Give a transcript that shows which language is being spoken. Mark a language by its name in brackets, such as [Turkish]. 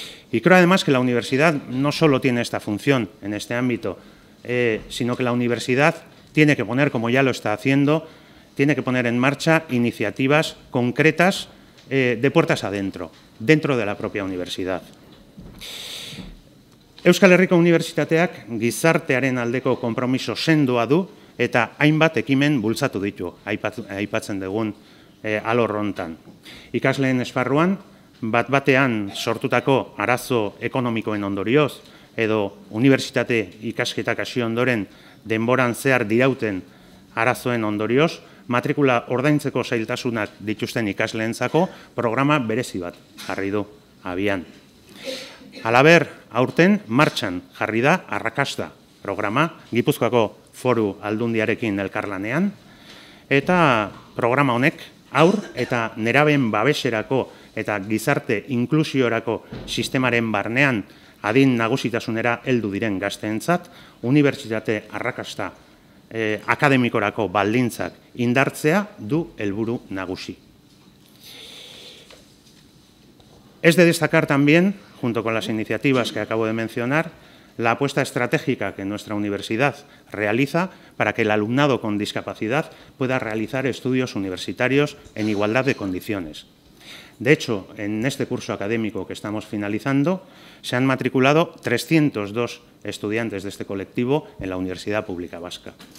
[Spanish] Y creo además que la universidad no solo tiene esta función en este ámbito, sino que la universidad tiene que poner, como ya lo está haciendo, tiene que poner en marcha iniciativas concretas de puertas adentro, dentro de la propia universidad. [Basque] Euskal Herriko Unibertsitateak gizartearen aldeko konpromiso sendoa du eta hainbat ekimen bultzatu ditu, aipatzen dugun alor hontan. Ikasleen esparruan, bat-batean sortutako arazo ekonomikoen ondorioz, edo unibertsitate ikasketak hasi ondoren denboran zehar dirauten arazoen ondorioz, matrikula ordaintzeko zailtasunak dituzten ikasleentzako programa berezi bat jarri du abian. Halaber, aurten martxan jarri da arrakasta programa, Gipuzkoako Foru Aldundiarekin elkarlanean, eta programa honek aur eta nerabeen babeserako eta gizarte inklusiorako sistemaren barnean adin nagusitasunera heldu diren gazteentzat, unibertsitate arrakasta akademikorako baldintzak indartzea du helburu nagusi. [Spanish] Es de destacar también, junto con las iniciativas que acabo de mencionar, la apuesta estratégica que nuestra universidad realiza para que el alumnado con discapacidad pueda realizar estudios universitarios en igualdad de condiciones. De hecho, en este curso académico que estamos finalizando, se han matriculado 302 estudiantes de este colectivo en la Universidad Pública Vasca.